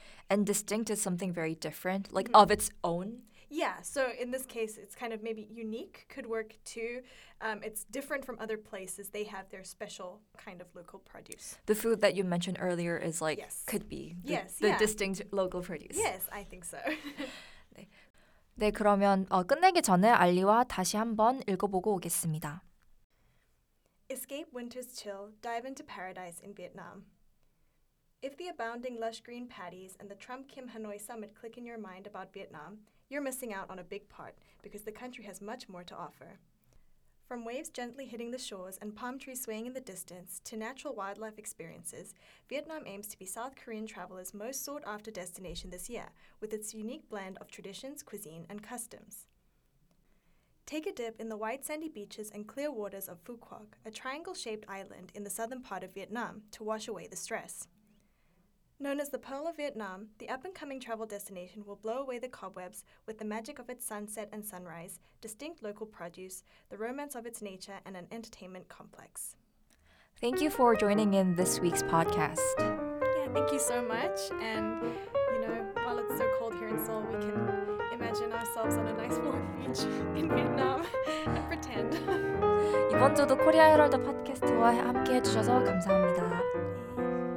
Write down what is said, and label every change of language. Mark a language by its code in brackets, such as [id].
[en] And distinct is something very different, like of its own. Yeah, so in this case, it's kind of maybe unique, could work too. It's different from other places. They have their special kind of local produce. The food that you mentioned earlier is like, could be the distinct local produce. Yes, I think so. [ko] 네. 네, 그러면 끝내기 전에 알리와 다시 한번 읽어보고 오겠습니다. [en] Escape winter's chill, dive into paradise in Vietnam. If the abounding lush green paddies and the Trump Kim Hanoi summit click in your mind about Vietnam, you're missing out on a big part because the country has much more to offer. From waves gently hitting the shores and palm trees swaying in the distance to natural wildlife experiences, Vietnam aims to be South Korean travelers' most sought-after destination this year with its unique blend of traditions, cuisine, and customs. Take a dip in the white sandy beaches and clear waters of Phu Quoc, a triangle-shaped island in the southern part of Vietnam, to wash away the stress. Known as the Pearl of Vietnam, the up-and-coming travel destination will blow away the cobwebs with the magic of its sunset and sunrise, distinct local produce, the romance of its nature, and an entertainment complex. Thank you for joining in this week's podcast. Yeah, thank you so much. And, you know, while it's so cold here in Seoul, we can imagine ourselves on a nice warm beach in Vietnam and pretend. [ko] 이번 주도 코리아 헤럴드 팟캐스트와 함께 해주셔서 감사합니다.